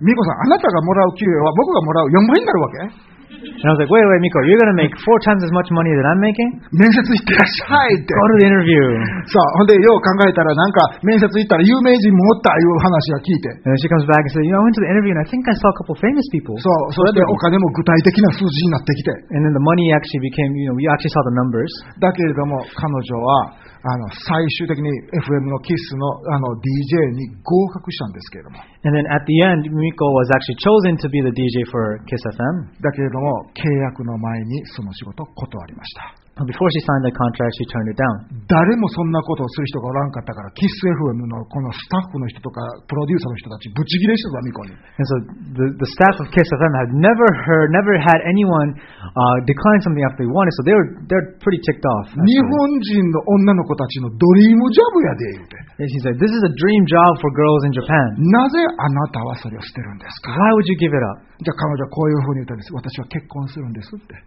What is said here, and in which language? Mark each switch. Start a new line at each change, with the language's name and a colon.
Japanese: Miko さん、あなたがもらう給料は僕がもらう4倍になるわけ?
English: And I was like, wait, wait, Miko, you're going to make 4 times as much money that I'm making?
Japanese: 面接行ってらっしゃいって。
English: Go to the interview.
Japanese: そう、ほんでよう考えたらなんか面接行ったら有名人もおったいう話は聞いて。
English: And she comes back and says, you know, I went to the interview and I think I saw a couple famous people.
Japanese: そう、それでお金も具体的な数字になってきて。
English: And then the money actually became, you know, we actually saw the numbers.
Japanese: だけれども彼女は最終的に FM の KISS の, DJ に合格したんですけれども。
English: And then at the end, Miko was actually chosen to be the DJ for KISS FM.
Japanese: だけれども契約の前にその仕事を断りました。
English: Before she signed the contract, she turned it down.
Japanese: 誰もそんなことをする人がおらんかったから、KISS FM のこのスタッフの人とかプロデューサーの人たちぶち切れしたぞ、ミコに。
English: And so the staff of KISS FM had never heard, never had anyone decline something after they wanted, so they're pretty ticked off.
Japanese: 日本人の女の子たちのドリームジョブやで言うて。
English: And she said, "This is a dream job for girls in Japan."
Japanese: なぜあなたはそれを捨てるんですか?
English: Why would you give it up?
Japanese: じゃあ彼女はこういうふうに言ったんです。私は結婚するんですって。